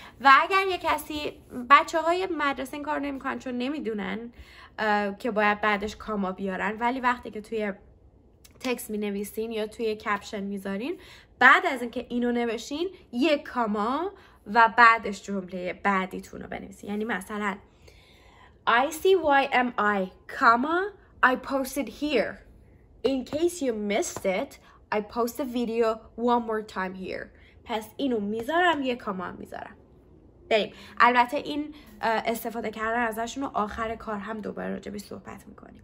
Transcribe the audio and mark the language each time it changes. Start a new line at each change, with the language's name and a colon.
Persian: و اگر یه کسی، بچه های مدرسه این کار نمی کنن چون نمی دونن که باید بعدش کاما بیارن، ولی وقتی که توی تکست می نویسین یا توی کپشن می زارین، بعد از اینکه اینو نوشین یه کاما و بعدش جمله بعدیتون رو بنویسی. یعنی مثلا
English: ICYMI comma I posted here in case you missed it I post the video one more time here.
Persian: پس اینو میذارم، یه کاما میذارم. بریم. البته این استفاده کردن ازشون رو آخر کار هم دوباره راجع بهش صحبت میکنیم.